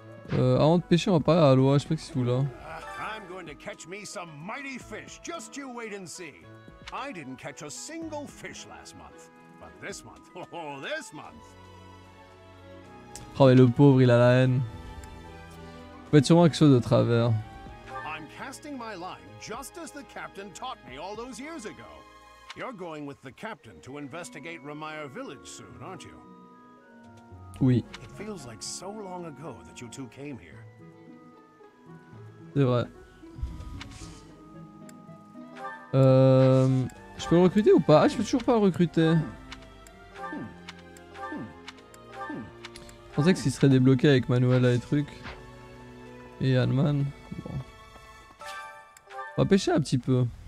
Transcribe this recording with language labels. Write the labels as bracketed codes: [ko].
[fr] avant de pêcher, on va parler à Aloha, je sais pas ce qu'il fout là. [en] Catch me some mighty fish, just you wait and see. I didn't catch a single fish last month, but this month, oh, this month. [fr] Oh, mais le pauvre, il a la haine. Il peut être sûrement quelque chose de travers. [en] I'm casting my line just as the captain taught me all those years ago. You're going with the captain to investigate Remire Village soon, aren't you? [fr] Oui. [en] It feels like so long ago that you two came here. [fr] C'est vrai. Je peux le recruter ou pas? Ah, je peux toujours pas le recruter. Je pensais que ce serait débloqué avec Manuela et truc. Et Alman. Bon. On va pêcher un petit peu.